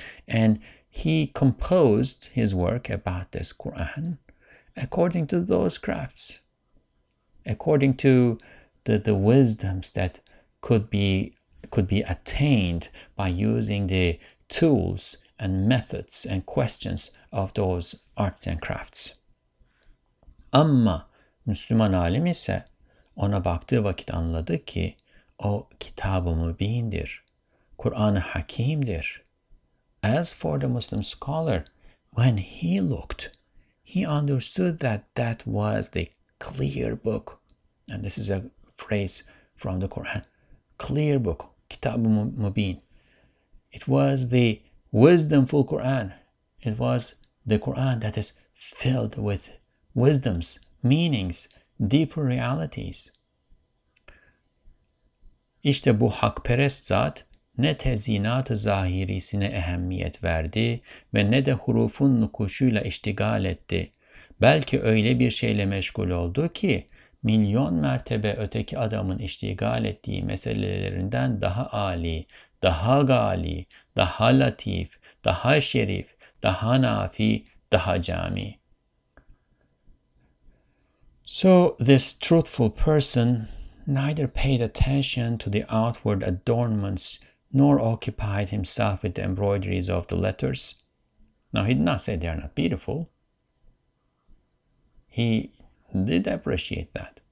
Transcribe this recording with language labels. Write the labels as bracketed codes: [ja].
[en] And he composed his work about this Quran according to those crafts, according to the wisdoms that could be attained by using the tools and methods and questions of those arts and crafts. [tr] Amma Müslüman alim ise ona baktığı vakit anladı ki o kitab-ı mübindir, Kur'an-ı Hakim'dir. [en] As for the Muslim scholar, when he looked, he understood that was the clear book. And this is a phrase from the Quran. Clear book, kitab-ı mübin. It was the wisdomful Quran. It was the Quran that is filled with wisdoms, meanings, deeper realities. [tr] İşte bu hakperest zat ne tezyinat-ı zahirisine ehemmiyet verdi ve ne de hurufun nukuşuyla iştigal etti. Belki öyle bir şeyle meşgul oldu ki milyon mertebe öteki adamın iştigal ettiği meselelerinden daha âli, daha gâli, daha latif, daha şerif, daha nafi, daha cami. [en] So this truthful person neither paid attention to the outward adornments nor occupied himself with the embroideries of the letters. Now, he did not say they are not beautiful. He did appreciate that.